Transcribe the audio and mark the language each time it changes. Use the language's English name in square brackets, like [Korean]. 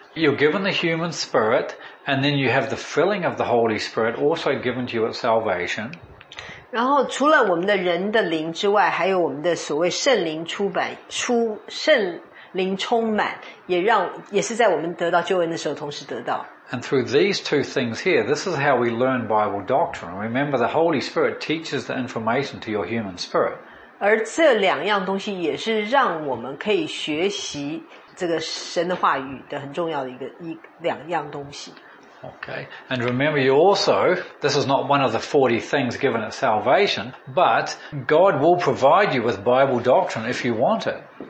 [English] You're given the human spirit, and then you have the filling of the Holy Spirit also given to you at salvation. [Chinese] 然后除了我们的人的灵之外，还有我们的所谓圣灵出版出圣灵充满，也让也是在我们得到救恩的时候同时得到。 [English] And through these two things here, this is how we learn Bible doctrine. Remember, the Holy Spirit teaches the information to your human spirit. [Chinese] 而这两样东西也是让我们可以学习这个神的话语的很重要的两样东西。 [English] Okay, and remember you also, this is not one of the 40 things given at salvation, but God will provide you with Bible doctrine if you want it.